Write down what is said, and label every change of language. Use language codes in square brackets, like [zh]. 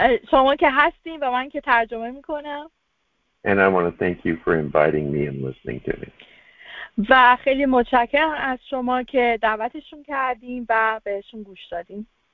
[fa] شما که هستین و من که ترجمه میکنم. [en] And I want to thank you for inviting me and listening to me. [fa] و خیلی متشکرم از شما که دعوتشون کردیم و بهشون گوش دادیم.